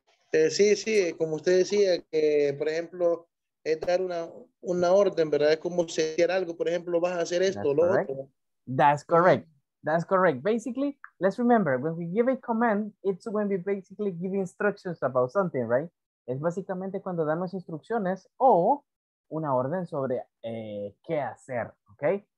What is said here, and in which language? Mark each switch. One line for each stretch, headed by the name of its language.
Spanish: Sí, como usted decía, que por ejemplo, es dar una orden, ¿verdad? Es como hacer algo, por ejemplo, vas a hacer esto, lo otro.
English: That's correct. That's correct. Basically, let's remember, when we give a command, it's when we basically give instructions about something, right?
Spanish: Es básicamente cuando damos instrucciones o una orden sobre qué hacer, okay?